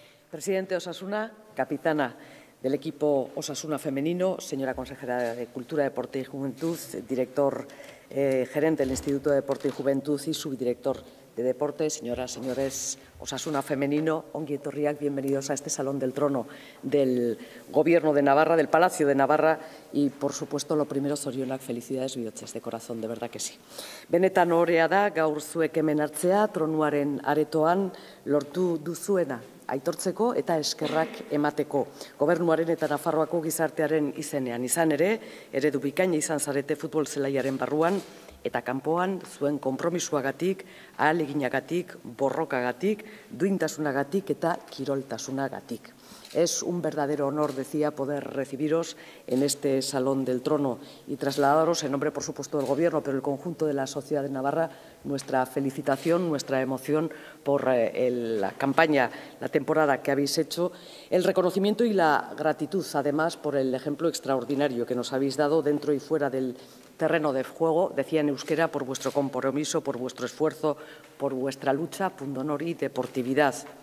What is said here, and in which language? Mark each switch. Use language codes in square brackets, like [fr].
[es] Presidente Osasuna, capitana del equipo Osasuna Femenino, señora consejera de Cultura, Deporte y Juventud, director gerente del Instituto de Deporte y Juventud y subdirector de Deporte, señoras, señores, Osasuna Femenino, [eu] ongi etorriak, [es] bienvenidos a este Salón del Trono del Gobierno de Navarra, del Palacio de Navarra, y, por supuesto, lo primero, zorionak, felicidades, bihotzez, de corazón, de verdad que sí. [eu] Benetan ohorea da, gaur zuek hemen hartzea, tronuaren aretoan, lortu duzuena, aitortzeko eta eskerrak emateko. Gobernuaren eta Nafarroako gizartearen izenean, izan ere, eredu bikaina izan zarete futbol zelaiaren barruan, eta kanpoan zuen konpromisuagatik, ahaleginagatik, borrokagatik, duintasunagatik eta kiroltasunagatik. [es] Es un verdadero honor, decía, poder recibiros en este Salón del Trono y trasladaros en nombre, por supuesto, del Gobierno, pero el conjunto de la sociedad de Navarra, nuestra felicitación, nuestra emoción por la campaña, la temporada que habéis hecho, el reconocimiento y la gratitud, además, por el ejemplo extraordinario que nos habéis dado dentro y fuera del terreno de juego, decía en euskera, por vuestro compromiso, por vuestro esfuerzo, por vuestra lucha, pundonor y deportividad.